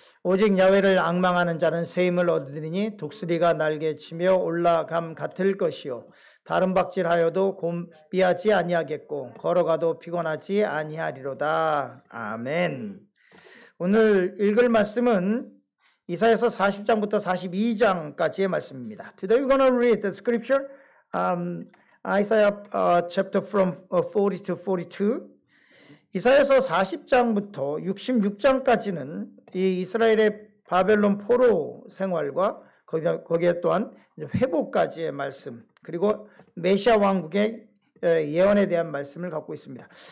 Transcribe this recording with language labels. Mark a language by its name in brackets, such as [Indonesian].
[Korean] 오직 야훼를 앙망하는 자는 세임을 얻으리니 독수리가 날개 치며 올라감 같을 것이요 다른 박질하여도 곤비하지 아니하겠고 걸어가도 피곤하지 아니하리로다. 아멘. 오늘 읽을 말씀은 이사야서 40장부터 42장까지의 말씀입니다. [English] Today we're going to read the scripture Isaiah chapter from 40 to 42. [Korean] 이사야서 40장부터 66장까지는 이 이스라엘의 바벨론 포로 생활과 거기에 또한 회복까지의 말씀 그리고 메시아 왕국의 예언에 대한 말씀을 갖고 있습니다.